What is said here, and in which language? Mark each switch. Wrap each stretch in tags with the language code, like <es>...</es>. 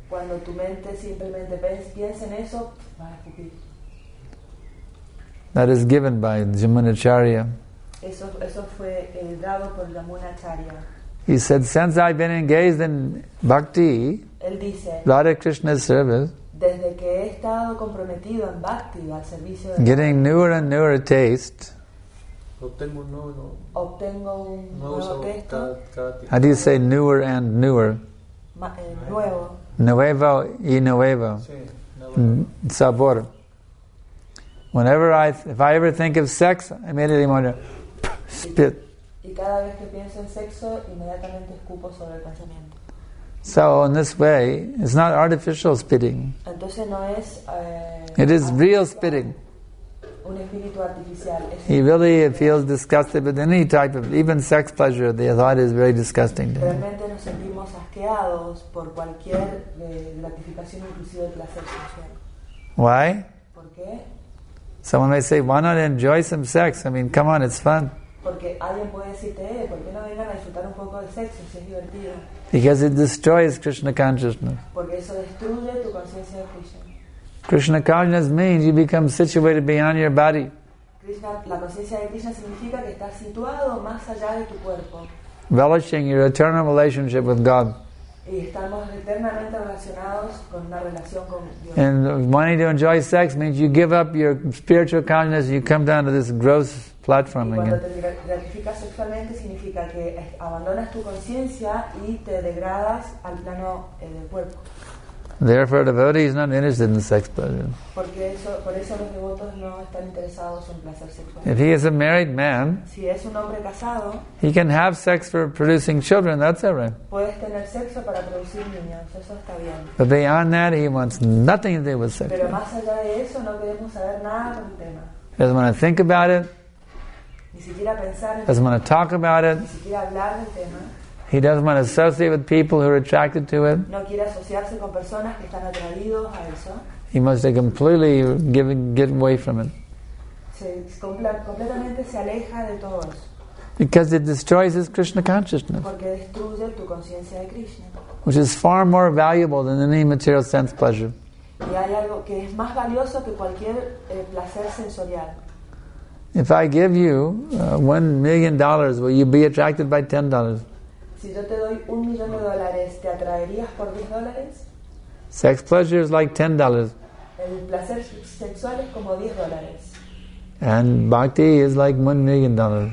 <es>Cuando tu mente simplemente piensa en eso, va a escupir.</es> <en>That is given by Yamunacharya.</en> <es>Eso fue dado por Yamunacharya.</es> <en>He said, since I've been engaged in bhakti,</en> <es>él dice,</es> <en>Radha Krishna's service,</en> <es>desde que he estado comprometido en bhakti, al servicio de</es> <en>getting newer and newer taste,</en> <es>obtengo un nuevo taste.</es> <en>How do you say newer and newer?</en> <es>Nuevo. Nuevo y nuevo. Sí, nuevo.</es> <en>Sabor. Whenever if I ever think of sex, I immediately want to spit.</en> <es>Y cada vez que pienso en sexo, inmediatamente escupo sobre el pensamiento.</es> <en>So in this way, it's not artificial spitting.</en> <es>Entonces no es,</es> <en>it is real spitting.</en> <es>Un espíritu artificial.</es> <en>He really feels disgusted with any type of, even sex pleasure, the thought is very disgusting to him.</en> <es>Realmente nos sentimos asqueados por cualquier gratificación, inclusive el placer sexual.</es> <en>Why?</en> <es>¿Por qué?</es> <en>Someone may say, why not enjoy some sex? I mean, come on, it's fun.</en> <es>Porque alguien puede decirte, ¿por qué no vengan a disfrutar un poco de sexo si es divertido?</es> <en>Because it destroys Krishna consciousness.</en> <es>Porque eso destruye tu conciencia de Krishna.</es> <en>Krishna consciousness means you become situated beyond your body.</en> <es>Krishna, la conciencia de Krishna significa que estás situado más allá de tu cuerpo.</es> <en>Relishing your eternal relationship with God.</en> <es>Y estamos eternamente relacionados con una relación con Dios.</es> <en>And wanting to enjoy sex means you give up your spiritual consciousness and you come down to this gross platform again.</en> <es>Y cuando te gratificas sexualmente significa que abandonas tu conciencia y te degradas al plano del cuerpo.</es> <en>Therefore, a devotee is not interested in sex pleasure.</en> <es>Porque eso, por eso los devotos no están interesados en placer sexual.</es> <en>If he is a married man,</en> <es>si es un hombre casado,</es> <en>he can have sex for producing children, that's all right.</en> <es>Puedes tener sexo para producir niños, eso está bien.</es> <en>But beyond that, he wants nothing to do with sex.</en> <es>Pero más allá de eso, no queremos saber nada con el tema.</es> <en>He doesn't want to think about it.</en> <es>Ni siquiera pensar en</es> <en>doesn't want to talk about it.</en> <es>Ni siquiera hablar del tema.</es> <en>He doesn't want to associate with people who are attracted to it.</en> <es>No quiere asociarse con personas que están atraídos a eso.</es> <en>He must be completely get away from it.</en> <es>Completamente se aleja de todos.</es> <en>Because it destroys his Krishna consciousness.</en> <es>Porque destruye tu conciencia de Krishna.</es> <en>Which is far more valuable than any material sense pleasure.</en> <es>Y hay algo que es más valioso que cualquier placer sensorial.</es> <en>If I give you $1,000,000, will you be attracted by $10?</en> <es>Si yo te doy $1,000,000, ¿te atraerías por $10?</es> <en>Sex pleasure is like $10.</en> <es>El placer sexual es como $10.</es> <en>And bhakti is like $1,000,000.</en>